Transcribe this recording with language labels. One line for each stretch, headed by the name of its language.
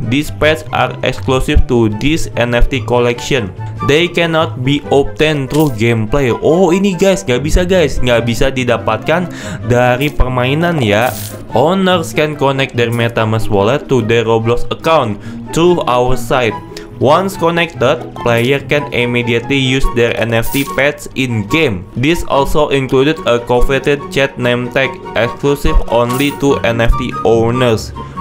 English: These pets are exclusive to this NFT collection. They cannot be obtained through gameplay.
Indonesian: Oh, ini guys, nggak bisa didapatkan dari permainan ya.
English: Owners can connect their MetaMask wallet to their Roblox account through our site. Once connected, player can immediately use their NFT pets in game. This also included a coveted chat name tag exclusive only to NFT owners.